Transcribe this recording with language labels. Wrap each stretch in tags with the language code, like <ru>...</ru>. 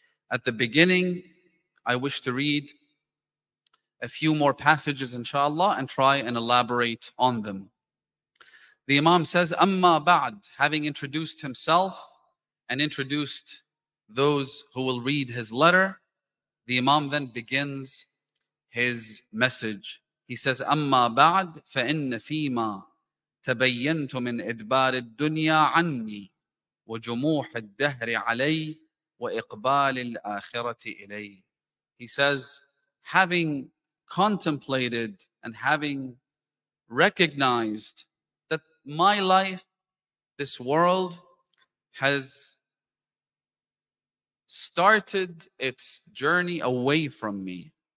<en>At the beginning, I wish to read a few more passages inshallah and try and elaborate on them. The Imam says, Amma ba'd, having introduced himself and introduced those who will read his letter, the Imam then begins his message. He says,</en> <ar>Amma ba'd, fa'inna fima تبينت من إدبار الدنيا عني وجموح الدهر علي وإقبال الآخرة إلي.</ar> <en>He says, having contemplated and having recognized that my life, this world, has started its journey away from me.</en>